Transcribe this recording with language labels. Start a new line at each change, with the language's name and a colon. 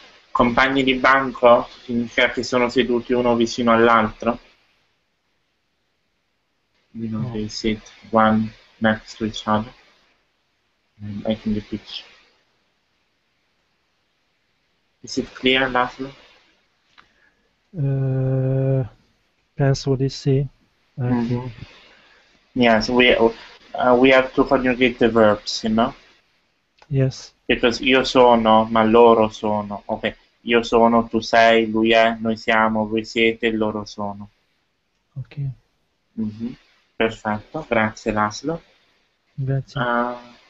Italian: Compagni di banco significa che sono seduti uno vicino all'altro.
English: You know, they sit one next to each other. Making the picture. Is it clear, Laszlo?
Italian: Penso di sì.
English: Yes, we have to conjugate the verbs, you know? Yes.
Italian: Because io sono, ma loro sono. Ok, io sono, tu sei, lui è, noi siamo, voi siete, loro sono. Ok. Perfetto, grazie Laszlo. Grazie.